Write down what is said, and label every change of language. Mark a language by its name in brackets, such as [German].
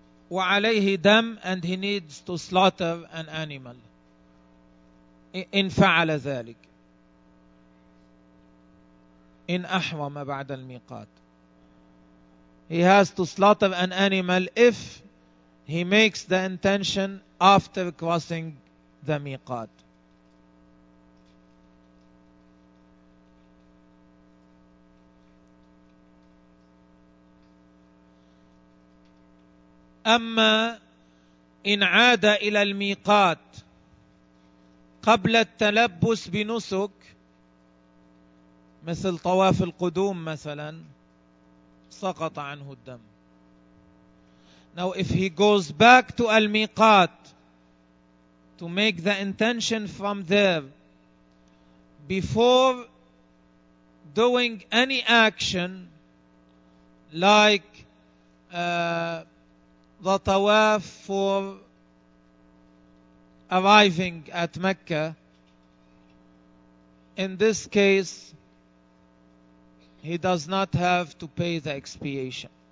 [Arabic] وعليه دم [English] and he needs to slaughter an animal [Arabic] إن فعل ذلك إن أحرم بعد الميقات. [English] He has to slaughter an animal if he makes the intention after crossing the miqat. [Arabic] أما إن عاد إلى الميقات قبل التلبس بنسك مثل طواف القدوم مثلا سقط عنه الدم. [English] Now if he goes back to al-miqat to make the intention from there before doing any action like the tawaf for arriving at Mecca, in this case he does not have to pay the expiation.